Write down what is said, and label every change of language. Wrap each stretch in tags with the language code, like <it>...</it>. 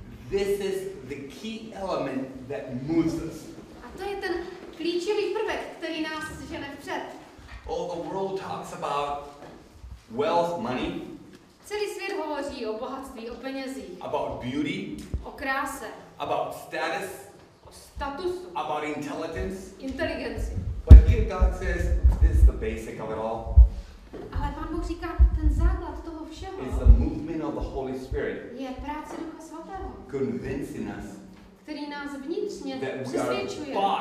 <en>This is the key element that moves us.</en> <cs>A to je ten klíčový prvek, který nás žene vpřed.</cs> <en>All the world talks about wealth, money.</en> <cs>Celý svět hovoří o bohatství, o penězích.</cs> <en>About beauty.</en> <cs>O kráse.</cs> <en>About status.</en> <cs>O statusu.</cs> <en>About intelligence.</en> <cs>Inteligenci.</cs> <en>But here God says, this is the basic of it all.</en> <cs>Ale Pán Bůh říká, ten základ toho všeho.</cs> <en>Is the movement of the Holy Spirit.</en> <cs>Je práce Ducha svatého.</cs> <en>Convincing us.</en> <cs>Který nás vnitřně přesvědčuje.</cs>